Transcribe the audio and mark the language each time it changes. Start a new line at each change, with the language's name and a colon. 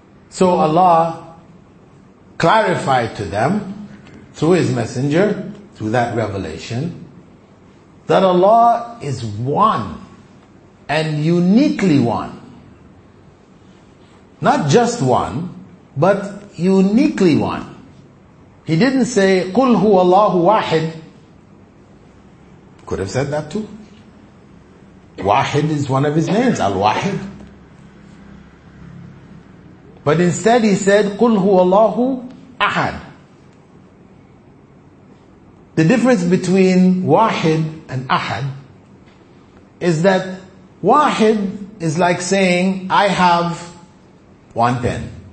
English: So Allah clarified to them through His Messenger, through that revelation, that Allah is one and uniquely one. Not just one, but uniquely one. He didn't say,
Arabic: قُلْ هُوَ اللَّهُ وَاحِدٌ.
English: Could have said that too. Wahid is one of His names, Al-Wahid. But instead He said,
Arabic: قُلْ هُوَ اللَّهُ أَحَد.
English: The difference between Wahid and Ahad is that Wahid is like saying, I have one pen.